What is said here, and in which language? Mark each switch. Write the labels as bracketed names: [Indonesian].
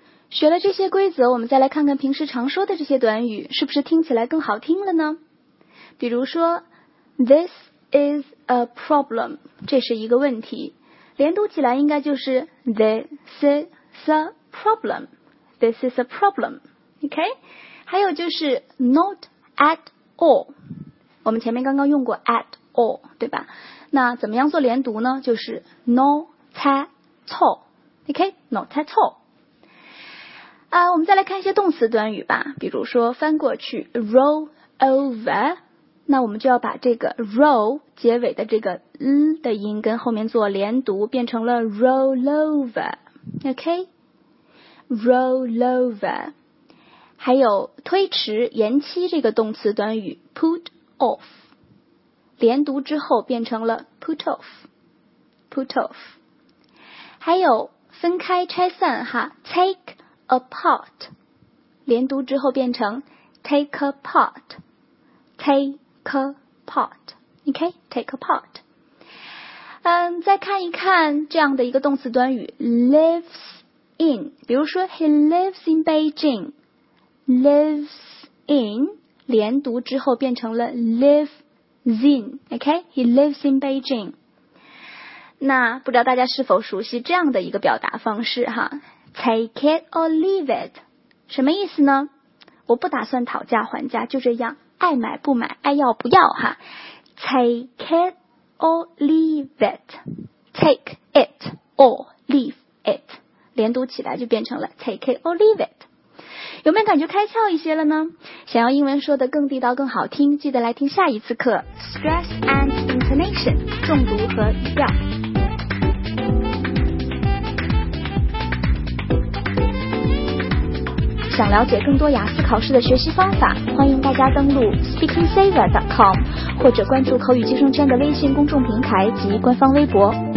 [Chinese] 学了这些规则，我们再来看看平时常说的这些短语是不是听起来更好听了呢？比如说 [English] This is a problem， [Chinese] 这是一个问题，连读起来应该就是 [English] This is a problem， This is a problem， OK。 [Chinese] 还有就是 [English] Not at all， [Chinese] 我们前面刚刚用过 at all 对吧，那怎么样做连读呢？就是 [English] Not at all， OK， Not at all。 [Chinese] 我们再来看一些动词短语吧，比如说翻过去 [English] roll over， [Chinese] 那我们就要把这个 roll 结尾的这个 l 的音跟后面做连读，变成了 roll over， OK， roll over。还有推迟、延期这个动词短语 [English] put off， [Chinese] 连读之后变成了 put off， put off。还有分开、拆散哈 [English] ，take apart， [Chinese] 连读之后变成 [English] take apart， take apart， OK， take apart。 [Chinese] 再看一看这样的一个动词短语 lives in， 比如说 [English] he lives in Beijing。 Lives in [Chinese] 连读之后变成了 [English] lives in， OK， he lives in Beijing。 [Chinese] 那不知道大家是否熟悉这样的一个表达方式哈， [English] take it or leave it， [Chinese] 什么意思呢？我不打算讨价还价，就这样爱买不买，爱要不要哈。 [English] take it or leave it， take it or leave it， [Chinese] 连读起来就变成了 [English] take it or leave it。 [Chinese] 有没有感觉开窍一些了呢？想要英文说得更地道更好听，记得来听下一次课 [English] Stress and Intonation， [Chinese] 重读和语调。想了解更多雅思考试的学习方法，欢迎大家登录 speakingsaver.com 或者关注口语救生圈的微信公众平台及官方微博。